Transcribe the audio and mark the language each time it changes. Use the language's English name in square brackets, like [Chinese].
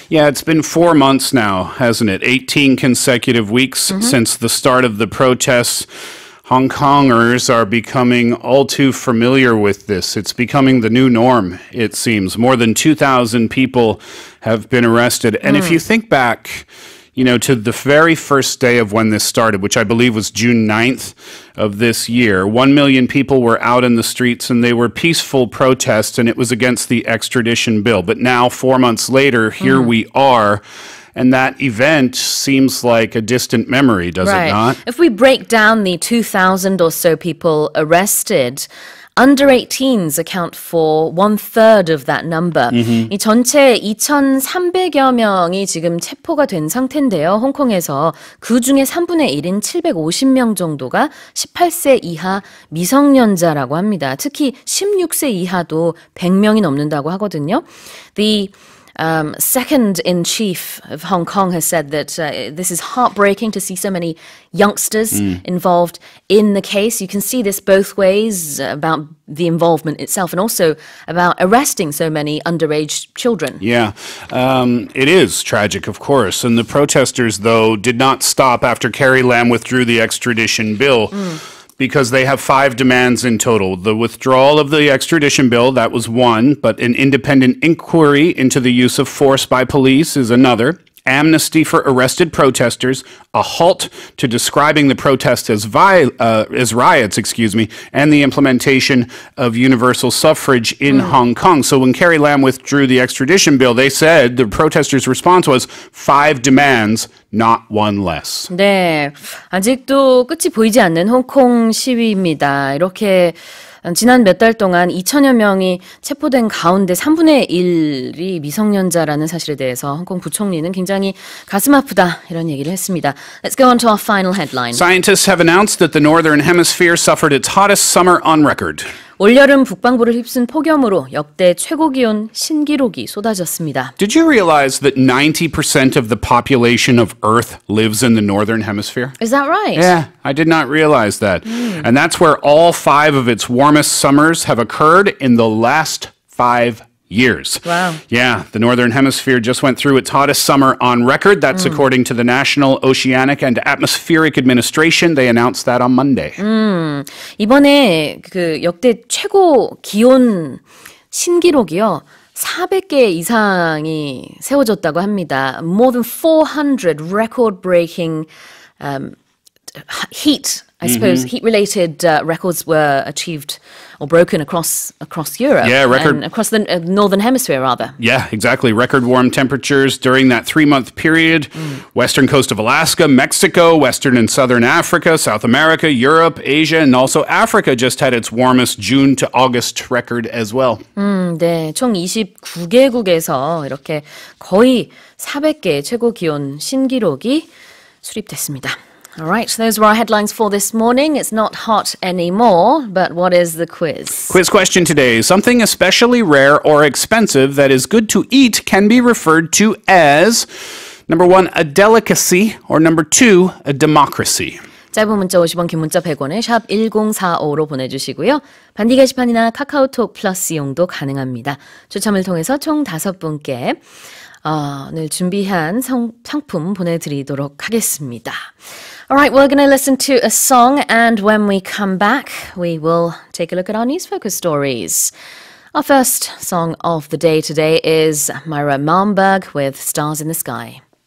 [English] Yeah, it's been 4 months now, hasn't it? 18 consecutive weeks since the start of the protests. Hong Kongers are becoming all too familiar with this. It's becoming the new norm, it seems. More than 2,000 people have been arrested. And if you think back, you know, to the very first day of when this started, which I believe was June 9th of this year, 1 million people were out in the streets and they were peaceful protests and it was against the extradition bill. But now, 4 months later, here we are. And that event seems like a distant memory, does right. it not? If we break down the 2,000 or so people arrested, under 18s account for one-third of that number. [Korean] 이 전체 2,300여 명이 지금 체포가 된 상태인데요. 홍콩에서 그 중에 3분의 1인 750명 정도가 18세 이하 미성년자라고 합니다. 특히 16세 이하도 100명이 넘는다고 하거든요. [English] The second in chief of Hong Kong has said that this is heartbreaking to see so many youngsters involved in the case. You can see this both ways about the involvement itself and also about arresting so many underage children. Yeah, it is tragic, of course. And the protesters, though, did not stop after Carrie Lam withdrew the extradition bill. Because they have 5 demands in total. The withdrawal of the extradition bill, that was one, but an independent inquiry into the use of force by police is another. amnesty for arrested protesters, a halt to describing the protests as riots, excuse me, and the implementation of universal suffrage in Hong Kong. So when Carrie Lam withdrew the extradition bill, they said the protesters' response was 5 demands, not one less. [Korean] 네, 아직도 끝이 보이지 않는 홍콩 시위입니다. 이렇게 지난 몇 달 동안 2천여 명이 체포된 가운데 3분의 1이 미성년자라는 사실에 대해서 홍콩 부총리는 굉장히 가슴 아프다 이런 얘기를 했습니다. [English] Let's go on to our final headline. Scientists have announced that the northern hemisphere suffered its hottest summer on record. [Korean] 올여름 북방부를 휩쓴 폭염으로 역대 최고 기온 신기록이 쏟아졌습니다. [English] Did you realize that 90% of the population of Earth lives in the northern hemisphere? Is that right? Yeah, I did not realize that. And that's where all five of its warmest summers have occurred in the last five years. Wow. Yeah, the northern hemisphere just went through its hottest summer on record. That's according to the National Oceanic and Atmospheric Administration. They announced that on Monday. [Korean] 이번에 그 역대 최고 기온 신기록이요. 400개 이상이 세워졌다고 합니다. [English] More than 400 record-breaking heat, I suppose, heat-related records were achieved or broken across Europe. Yeah, record. And across the northern hemisphere, rather. Yeah, exactly. Record warm temperatures during that three-month period. Western coast of Alaska, Mexico, western and southern Africa, South America, Europe, Asia, and also Africa just had its warmest June to August record as well. [Korean] 네, 총 29개국에서 이렇게 거의 400개 최고 기온 신기록이 수립됐습니다. [English] All right, so those were our headlines for this morning. It's not hot anymore, but what is the quiz? Quiz question today. Something especially rare or expensive that is good to eat can be referred to as, number one, a delicacy, or number two, a democracy. [Korean] 짧은 문자 50원, 긴 문자 100원에 샵 1045로 보내주시고요. 반디 게시판이나 카카오톡 플러스 이용도 가능합니다. 추첨을 통해서 총 다섯 분께 오늘 준비한 상품 보내드리도록 하겠습니다. [English] All right, we're going to listen to a song, and when we come back, we will take a look at our news focus stories. Our first song of the day today is Myra Malmberg with Stars in the Sky.